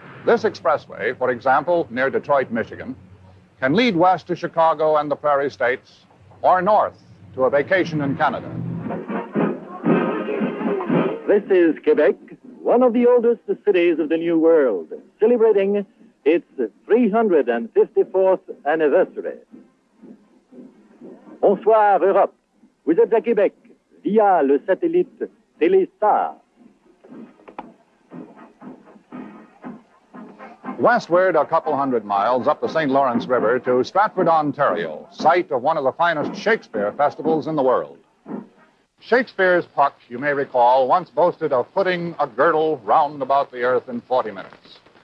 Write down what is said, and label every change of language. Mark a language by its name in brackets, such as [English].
[English] This expressway, for example, near Detroit, Michigan, can lead west to Chicago and the Prairie States, or north to a vacation in Canada. This is Quebec, one of the oldest cities of the New World, celebrating its 354th anniversary. [French] Bonsoir, Europe. Vous êtes à Québec via le satellite Telstar. [English] Westward a couple hundred miles up the St. Lawrence River to Stratford, Ontario, site of one of the finest Shakespeare festivals in the world. Shakespeare's Puck, you may recall, once boasted of putting a girdle round about the earth in 40 minutes.